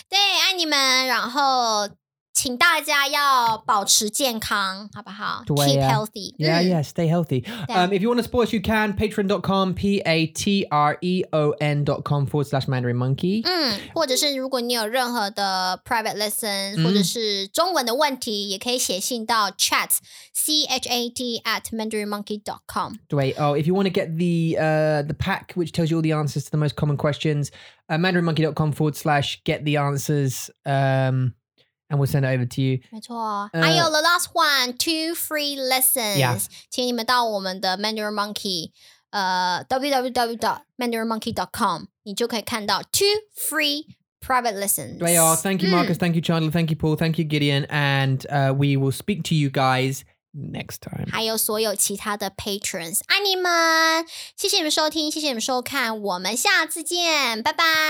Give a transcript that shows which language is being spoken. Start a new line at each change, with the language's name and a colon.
Chinese: 对，爱你们，然后请大家要保持健康，好不好?
English: Keep healthy. Yeah, stay healthy. If you want to support us, you can, patreon.com, patreon.com/mandarinmonkey.
Chinese: 或者是如果你有任何的
English: private lessons,
Chinese: 或者是中文的问题，也可以写信到 chat, chat@mandarinmonkey.com.
English: 对, oh, if you want to get the pack, which tells you all the answers to the most common questions, mandarinmonkey.com/get-the-answers. And we'll send it over to you.
Chinese: 没错。还有
English: the last one, 2 free lessons. Yeah.
Chinese: 请你们到我们的 Mandarin Monkey, www.mandarinmonkey.com, 你就可以看到
English: 2 free private lessons. 对哦。Thank you, Marcus. Thank you, Chandler. Thank you, Paul. Thank you, Gideon. And we will speak to you guys next time.
Chinese: 还有所有其他的 patrons. 爱你们。谢谢你们收听。谢谢你们收看。我们下次见。拜拜。